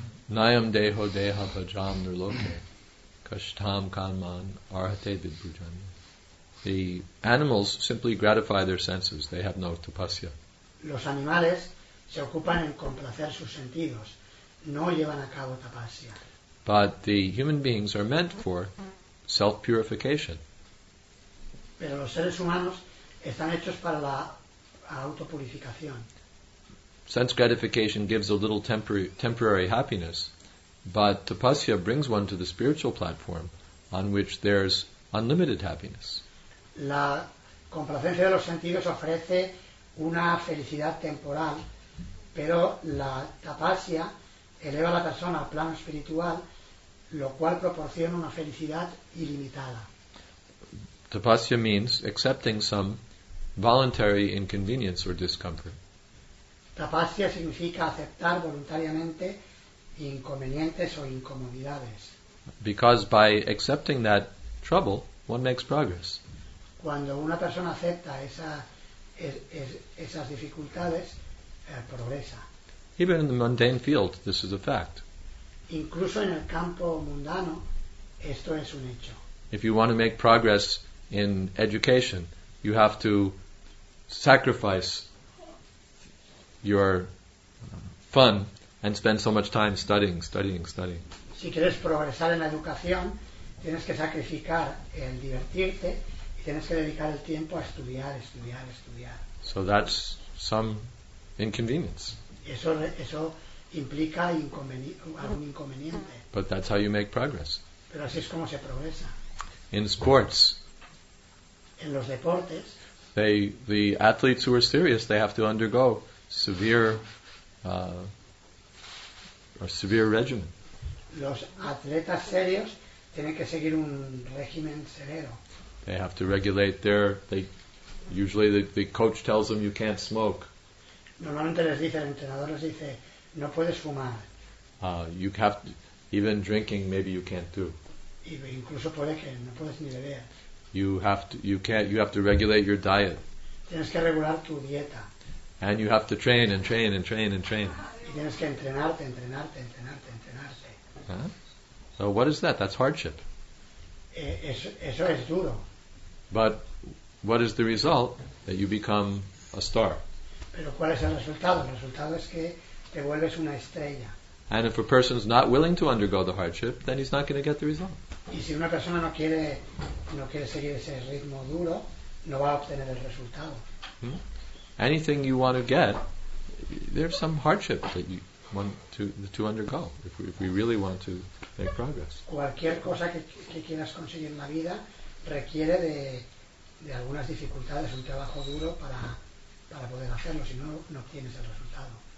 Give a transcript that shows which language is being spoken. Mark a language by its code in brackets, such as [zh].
[sa] Nayam deho deha bhajam nirloke kashtam kalman arhate vidbhujanya. [en] The animals simply gratify their senses. They have no tapasya. [es] Los animales se ocupan en complacer sus sentidos. No llevan a cabo tapasya. [en] But the human beings are meant for self-purification. [es] Pero los seres humanos están hechos para la autopurificación. [en] Sense gratification gives a little temporary happiness, but tapasya brings one to the spiritual platform on which there's unlimited happiness. [es] La complacencia de los sentidos ofrece una felicidad temporal, pero la tapasya eleva a la persona al plano espiritual, lo cual proporciona una felicidad ilimitada. [en] Tapasya means accepting some voluntary inconvenience or discomfort. [es] Tapasya significa aceptar voluntariamente inconvenientes o incomodidades. [en] Because by accepting that trouble, one makes progress. [es] Cuando una persona acepta esas dificultades, progresa. [en] Even in the mundane field, this is a fact. [es] Incluso en el campo mundano, esto es un hecho. [en] If you want to make progress in education, you have to sacrifice your fun and spend so much time studying. [es] Si quieres progresar en la educación, tienes que sacrificar el divertirte. Tienes que dedicar el tiempo a estudiar. [en] So that's some inconvenience. [es] Eso implica algún inconveniente. [en] But that's how you make progress. [es] Pero así es como se progresa. [en] In sports. [es] En los deportes. [en] The athletes who are serious, they have to undergo severe regimen. [es] Los atletas serios tienen que seguir un régimen severo. [en] They have to regulate their... Usually the coach tells them you can't smoke. [es] Normalmente les dice, el entrenador les dice, no puedes fumar. [en] You have to, even drinking, maybe you can't do. [es] Y incluso puede que no puedes ni beber. [en] You have to regulate your diet. [es] Tienes que regular tu dieta. [en] And you have to train. [es] Y tienes que entrenarte. [en] So what is that? That's hardship. [es] Eso es duro. [en] But what is the result? That you become a star. [es] Pero ¿cuál es el resultado? El resultado es que te vuelves una estrella. [en] And if a person is not willing to undergo the hardship, then he's not going to get the result. [es] Y si una persona no quiere seguir ese ritmo duro, no va a obtener el resultado. [en] Anything you want to get, there's some hardship that you want to undergo if we really want to make progress. [es] Cualquier cosa que quieras conseguir en la vida requiere de algunas dificultades, un trabajo duro para poder hacerlo, si no, no obtienes el resultado.